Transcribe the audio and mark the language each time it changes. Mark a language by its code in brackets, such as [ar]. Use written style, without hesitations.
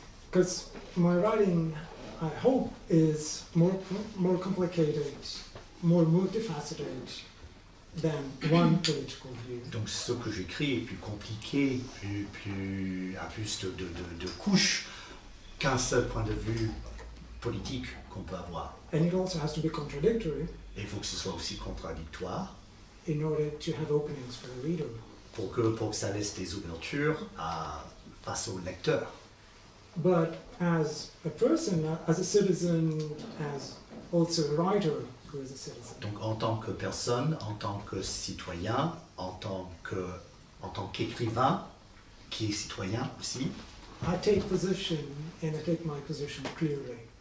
[en] Because my writing, I hope, is more complicated, more multifaceted than one political view. [fr] Donc ce que j'écris est plus compliqué, plus de couches qu'un seul point de vue politique qu'on peut avoir. [en] And it also has to be contradictory. [fr] Et il faut que ce soit aussi contradictoire. [en] In order to have openings for the reader. [fr] Pour que ça laisse des ouvertures face au lecteur. [en] But as a person, as a citizen, as also a writer who is a citizen. [fr] Donc en tant que personne, en tant que citoyen, en tant qu'écrivain, qui est citoyen aussi. [en] I take position and I take my position clearly.